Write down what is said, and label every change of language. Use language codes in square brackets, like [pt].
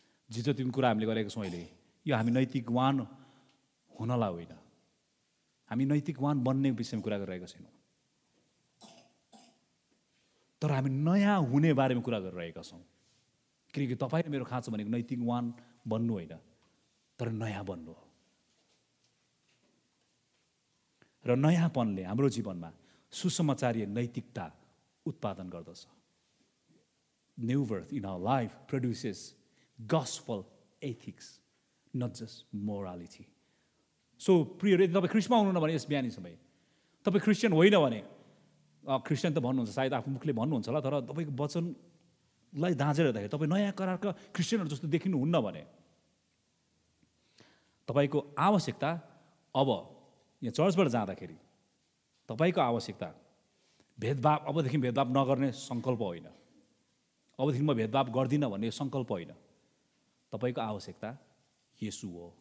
[ne] जे जति पनि कुरा हामीले गरेका छौँ अहिले, यो हामी नैतिकवान हुनलाई होइन, हामी नैतिकवान बन्ने विषयमा कुरा गरिरहेका छैनौँ, तर हामी नयाँ हुने बारेमा कुरा गरिरहेका छौँ। किनकि तपाईँले मेरो खाँचो भनेको नैतिकवान बन्नु होइन, तर नयाँ बन्नु हो। र नयाँपनले हाम्रो जीवनमा सुसमाचारीय नैतिकता उत्पादन गर्दछ। [en] New birth in our life produces gospel ethics, not just morality. [ne] So प्रियहरू, यदि तपाईँ ख्रिस्टमा हुनुहुन्न भने, यस बिहानी समय तपाईँ ख्रिस्चियन होइन भने, ख्रिस्चियन त भन्नुहुन्छ सायद आफ्नो मुखले भन्नुहुन्छ होला, तर तपाईँको वचनलाई दाँजेर हेर्दाखेरि तपाईँ नयाँ करारका ख्रिस्चियनहरू जस्तो देखिनुहुन्न भने, तपाईँको आवश्यकता अब यहाँ चर्चबाट जाँदाखेरि तपाईँको आवश्यकता भेदभाव, अबदेखि भेदभाव नगर्ने सङ्कल्प होइन, अबदेखि म भेदभाव गर्दिनँ भन्ने सङ्कल्प होइन, तपाईँको आवश्यकता येशु हो।